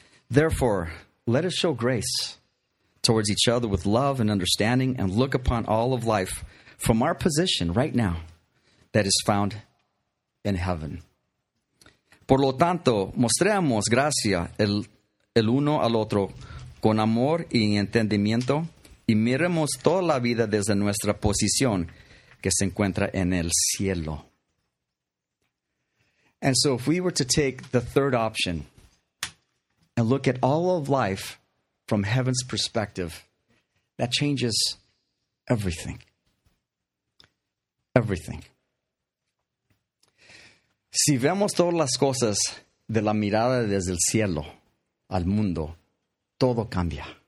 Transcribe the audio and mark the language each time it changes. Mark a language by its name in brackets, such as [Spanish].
[English] Therefore, let us show grace towards each other with love and understanding, and look upon all of life from our position right now that is found in heaven. [Spanish] Por lo tanto, mostremos gracia el uno al otro con amor y entendimiento, y miremos toda la vida desde nuestra posición que se encuentra en el cielo. [English] And so if we were to take the third option and look at all of life from heaven's perspective, that changes everything. Everything. [Spanish] Si vemos todas las cosas de la mirada desde el cielo al mundo, todo cambia.